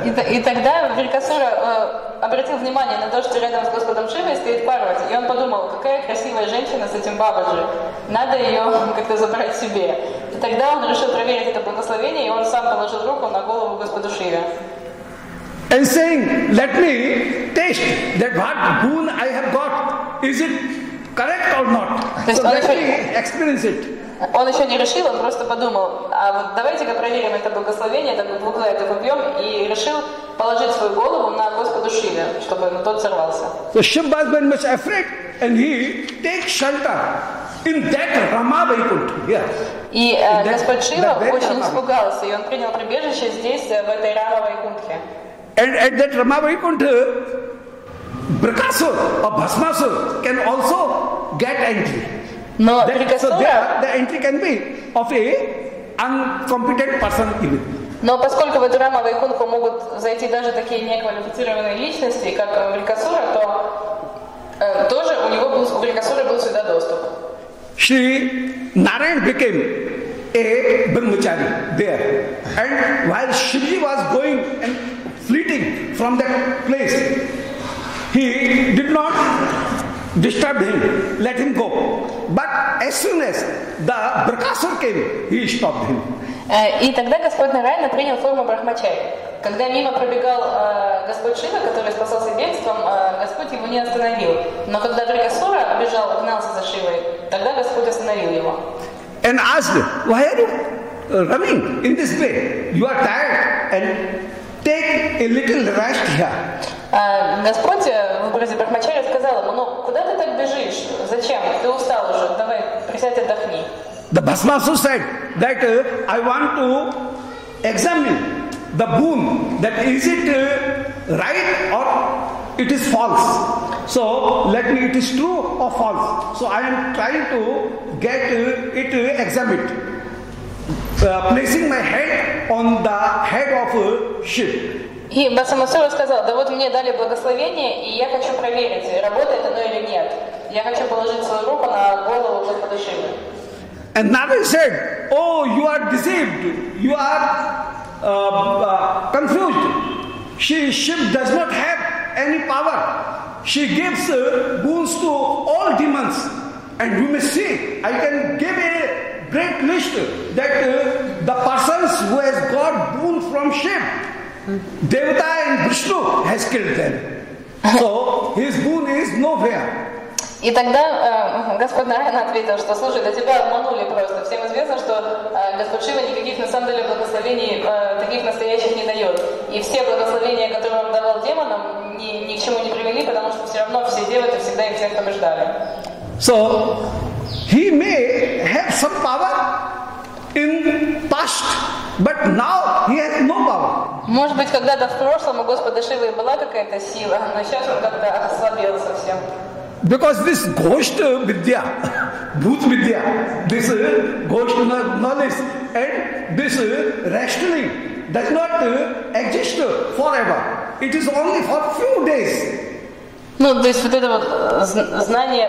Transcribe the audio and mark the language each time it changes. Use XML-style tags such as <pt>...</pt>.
<ru>И тогда Бикасура обратил внимание на то, что рядом с Господом Шивой стоит Парвати, и он подумал, какая красивая женщина с этим Бабаджи, надо ее как-то забрать себе. И тогда он решил проверить это благословение, и он сам положил руку на голову Господу Шиве.</ru> <en>And saying, let me taste that what boon I have got, is it correct or not? So let me experience it.</en> <ru>Он еще не решил, он просто подумал, а вот давайте-ка проверим это благословение, так вот буквально это попьем, и решил положить свою голову на Господу Шиве, чтобы тот сорвался.</ru> <en>So Shiva was very much afraid, and he takes shelter in that Rama Vaikuntha.</en> <ru>И Господь Шива очень испугался, и он принял прибежище здесь, в этой Рама Вайкунтхе.</ru> <en>And at that Rama Vaikuntha, Brakasur or Bhasmasur can also get entry.</en> <ru>Но Брикасура,</ru> <en>the entry can be of a incompetent person even.</en> <ru>Но поскольку в эту Раму Вайкунтху могут зайти даже такие неквалифицированные личности, как Брикасура, то тоже у него был, у Брикасура был сюда доступ.</ru> <en>Shri Narayan became a brahmachari there, and while Shri was going and fleeting from that place, he did not disturb him, let him go. But as soon as the Brakasura came, he stopped him.</en> <ru>И тогда Господь Нараяна принял форму брахмачари. Когда мимо пробегал Господь Шива, который спасался бегством, Господь его не остановил. Но когда Брикасура бежал, гнался за Шивой, тогда Господь остановил его.</ru> <en>And asked, why are you running in this way? You are tired and take a little rest here.</en> <ru>Господь в образе брахмачари сказал ему, ну куда ты так бежишь? Зачем? Ты устал уже. Давай, присядь, отдохни.</ru> <en>The Bhasmasura said that I want to examine the boon, that is it right or it is false. So let me, it is true or false. So I am trying to get it examined, placing my hand on the head of Shiva.</en> <ru>И Бхасмасура сказал, да вот мне дали благословение, и я хочу проверить, работает оно или нет. Я хочу положить свою руку на голову Господа Шивы.</ru> <en>And Narayan said, oh, you are deceived, you are confused. Shiva does not have any power. She gives boons to all demons. And you may see, I can give a great list that the persons who has got boon from Shiva, Devata and Vishnu has killed them. So his boon is nowhere.</en> <ru>И тогда Господь Нараяна ответил, что слушай, да тебя обманули просто. Всем известно, что Господь Шива никаких на самом деле благословений таких настоящих не дает. И все благословения, которые он давал демонам, ни к чему не привели, потому что все равно все девы всегда и всех побеждали.</ru> <en>So he may have some power in past, but now he has no power.</en> <ru>Может быть, когда-то в прошлом у Господа Шивы была какая-то сила, но сейчас он как-то ослабел совсем.</ru> <en>Because this ghost vidya, bhut vidya, this ghost knowledge and this wrestling does not exist forever. It is only for few days.</en> <ru>Ну, то есть вот это вот знание.</ru>